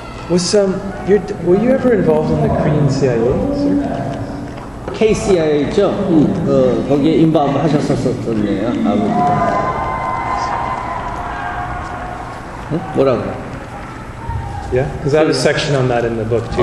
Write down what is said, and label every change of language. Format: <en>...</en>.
<en>Were you ever involved in the Korean CIA, sir?</en> <ko>KCIA죠? 거기에 인밤 하셨었었네요, 아버지. 네? 뭐라고?</ko> <en>Yeah, because I have a section on that in the book too.</en>